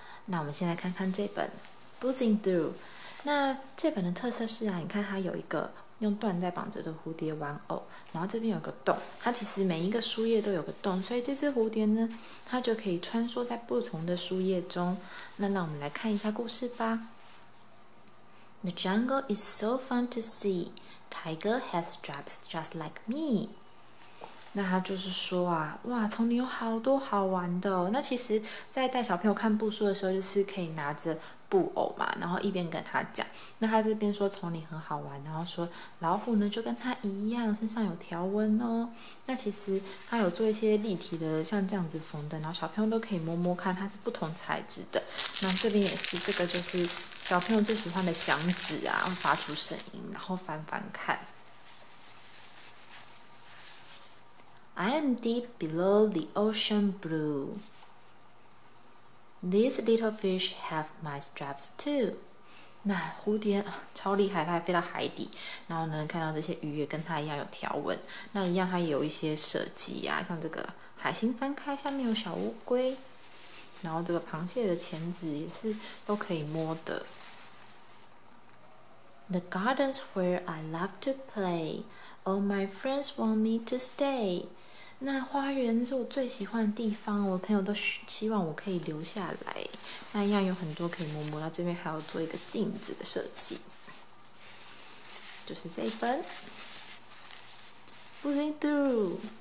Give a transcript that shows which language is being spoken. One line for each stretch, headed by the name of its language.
Chinese: 那我们先来看看这本 Buzzing Through。那这本的特色是啊，你看它有一个用缎带绑着的蝴蝶玩偶，然后这边有个洞，它其实每一个书页都有个洞，所以这只蝴蝶呢，它就可以穿梭在不同的书页中。那让我们来看一下故事吧。
English: The jungle is so fun to see. Tiger has stripes just like me.
Chinese: 那他就是说啊，哇，丛林有好多好玩的哦。那其实，在带小朋友看布书的时候，就是可以拿着布偶嘛，然后一边跟他讲。那他这边说丛林很好玩，然后说老虎呢就跟他一样，身上有条纹哦。那其实他有做一些立体的，像这样子缝的，然后小朋友都可以摸摸看，它是不同材质的。那这边也是，这个就是小朋友最喜欢的响指啊，会发出声音，然后翻翻看。
English: I am deep below the ocean blue. These little fish have my stripes too.
Chinese: 那蝴蝶超厉害，它还飞到海底，然后呢，看到这些鱼也跟它一样有条纹，那一样它也有一些设计呀，像这个海星翻开，下面有小乌龟，然后这个螃蟹的钳子也是都可以摸的。
English: The garden's where I love to play. All my friends want me to stay.
Chinese: 那花园是我最喜欢的地方，我朋友都希望我可以留下来。那一样有很多可以摸摸，那这边还要做一个镜子的设计，就是这一本。Pulling through。